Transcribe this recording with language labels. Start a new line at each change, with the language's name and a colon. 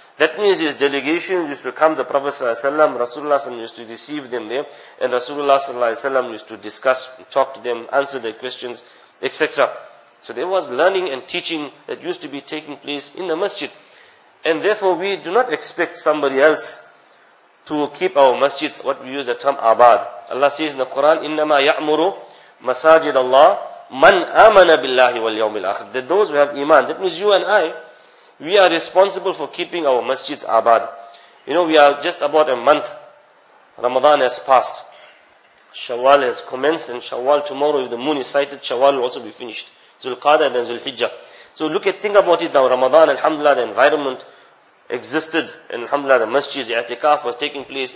English: That means his delegations used to come to the Prophet Sallallahu Alaihi Wasallam, Rasulullah Sallallahu Alaihi Wasallam used to receive them there, and Rasulullah Sallallahu Alaihi Wasallam used to discuss, talk to them, answer their questions, etc. So there was learning and teaching that used to be taking place in the masjid. And therefore we do not expect somebody else to keep our masjids, what we use the term abad. Allah says in the Quran,
Arabic: إِنَّمَا يَعْمُرُ مَسَاجِدَ اللَّهِ مَنْ آمَنَ بِاللَّهِ وَالْيَوْمِ الْآخِرِ.
English: That those who have iman, that means you and I, we are responsible for keeping our masjids abad. You know, we are just about a month. Ramadan has passed. Shawwal has commenced, and Shawwal tomorrow, if the moon is sighted, Shawwal will also be finished. Zulqada and then Zulhijjah. So look at, think about it now. Ramadan, alhamdulillah, the environment existed, and alhamdulillah, the masjids, the i'tikaf was taking place.